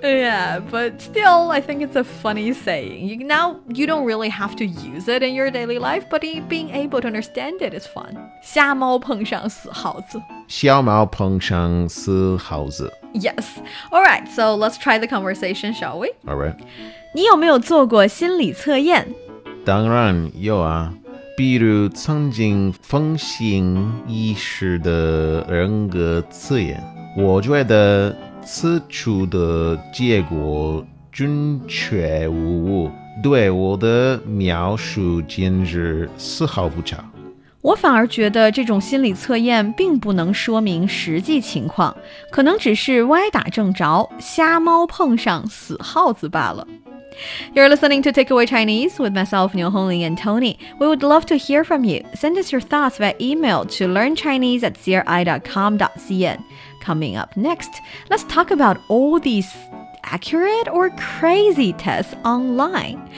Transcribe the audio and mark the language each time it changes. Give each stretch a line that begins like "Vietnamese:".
English: Yeah, but still, I think it's a funny saying. Now, you don't really have to use it in your daily life, but being able to understand it is fun.
Chinese: 瞎猫碰上死耗子。瞎猫碰上死耗子。
English: Yes. All right, so let's try the conversation, shall we? All right.
Chinese: 你有没有做过心理测验？当然有啊。比如曾经奉行医师的人格测验，我觉得此处的结果准确无误，对我的描述简直丝毫不差。我反而觉得这种心理测验并不能说明实际情况，可能只是歪打正着，瞎猫碰上死耗子罢了。
English: You're listening to Takeaway Chinese with myself, Niu Hongling and Tony. We would love to hear from you. Send us your thoughts via email to learnchinese@cri.com.cn. Coming up next, let's talk about all these accurate or crazy tests online.